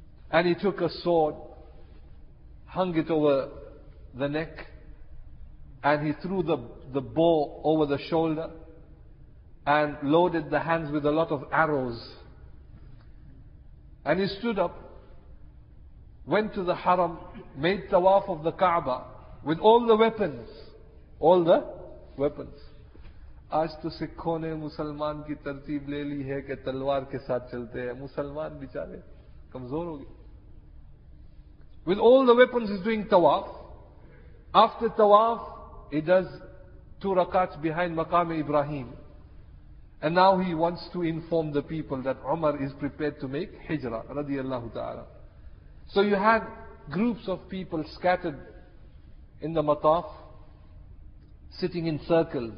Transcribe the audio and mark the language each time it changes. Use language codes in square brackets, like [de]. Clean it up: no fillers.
[en] And he took a sword, hung it over the neck, and he threw the bow over the shoulder, and loaded the hands with a lot of arrows. And he stood up, went to the haram, made tawaf of the Kaaba, with all the weapons. [ur] آج تو سکھوں نے مسلمان کی ترتیب لے لی ہے کہ تلوار کے ساتھ چلتے ہیں مسلمان بیچارے کمزور ہو گئے [en] With all the weapons he's doing tawaf. After tawaf he does two rakats behind maqam Ibrahim. And now he wants to inform the people that Umar is prepared to make hijrah radiallahu ta'ala. So you had groups of people scattered in the mataf, sitting in circles.